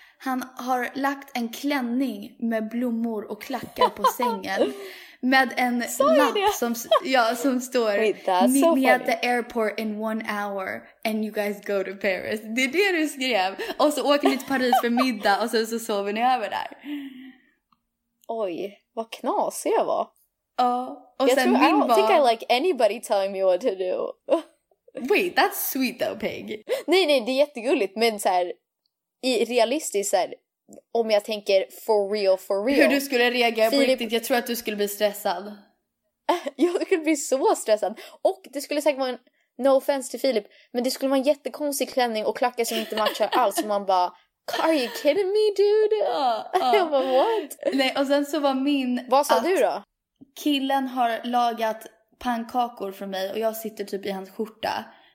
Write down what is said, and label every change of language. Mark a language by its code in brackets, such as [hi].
[sv] Han har lagt en klänning med blommor och klackar på sängen. Med en lapp som står [en] Meet me at the airport in 1 hour and you guys go to Paris. [sv] Det är det du skrev. Och så åker ni till Paris för middag och sen så sover ni över där. Oj, vad knasig jag var. Ja, och sen min var... [en] I don't think I like anybody telling me what to do. Wait, that's sweet though, Peg. [sv] Nej, det är jättegulligt, men så här... I realistiskt här, om jag tänker [en] for real. [sv] Hur du skulle reagera på riktigt, jag tror att du skulle bli stressad. Jag skulle bli så stressad. Och det skulle säkert vara en, [en] no offense [sv] till Filip, men det skulle vara en jättekonstig klänning och klackar som inte matchar alls. Och man bara, [en] are you kidding me dude? [sv] Jag bara, [en] what? [sv] Nej, och sen så var min... Vad sa du då? Killen har lagat pannkakor för mig och jag sitter typ i hans skjorta.